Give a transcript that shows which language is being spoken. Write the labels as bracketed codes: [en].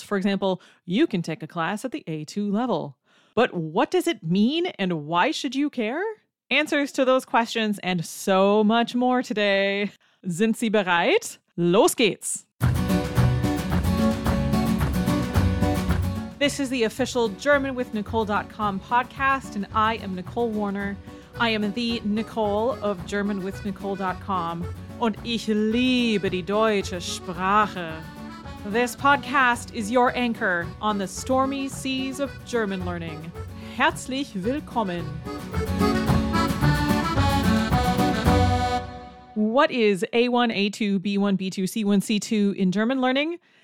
[en] For example, you can take a class at the A2 level. But what does it mean, and why should you care? Answers to those questions and so much more today. [de] Sind Sie bereit? Los geht's! [en] This is the official GermanWithNicole.com podcast, and I am Nicole Warner. I am the Nicole of GermanWithNicole.com, [de] und ich liebe die deutsche Sprache. [en] This podcast is your anchor on the stormy seas of German learning. [de] Herzlich willkommen! [en] What is A1, A2, B1, B2, C1, C2 in German learning?